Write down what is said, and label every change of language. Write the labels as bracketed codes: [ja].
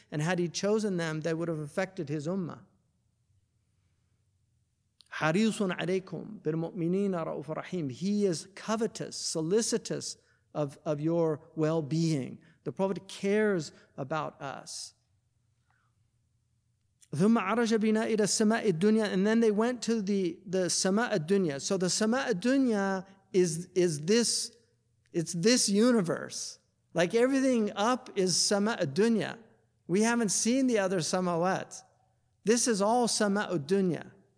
[en] And had he chosen them, they would have affected his ummah. [ar] حَرِيُّسٌ عَلَيْكُمْ بِالْمُؤْمِنِينَ رَأُوفَ رَحِيمٌ [en] He is covetous, solicitous of your well-being. The Prophet cares about us. [ar] ثُمَّ عَرَجَ بِنَا إِلَى السَّمَاءِ الدُّنْيَا [en] And then they went to the [ar] سَمَاءَ الدُّنْيَا. [en] So the سَمَاءَ الدُّنْيَا is this, it's this universe. Like everything up is سَمَاءَ الدُّنْيَا. We haven't seen the other سَمَاوَات. This is all سَمَاءُ الدُّنْيَا.